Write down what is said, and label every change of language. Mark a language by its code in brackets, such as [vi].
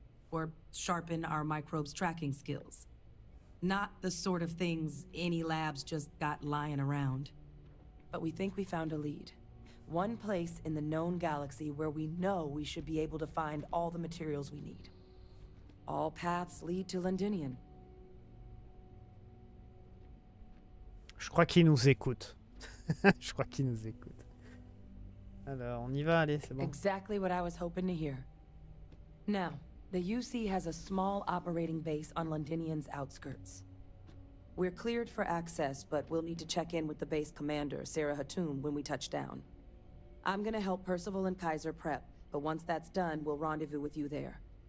[en] Or sharpen our microbes' tracking skills. Not the sort of things any labs just got lying around. But we think we found a lead. One place in the known galaxy where we know we should be able to find all the materials we need. All paths lead to Londinium. [fr] Je crois qu'il nous écoute. Je crois qu'il nous écoute. Alors, on y va, allez, c'est bon. [en] Exactly what I was hoping to hear. Now, the UC has a small operating base on Londinium's outskirts. We're cleared for access, but we'll need to check in with the base commander, Sarah Hatoum, when we touch down. I'm gonna help Percival and Kaiser prep, but once that's done, we'll rendezvous with you there.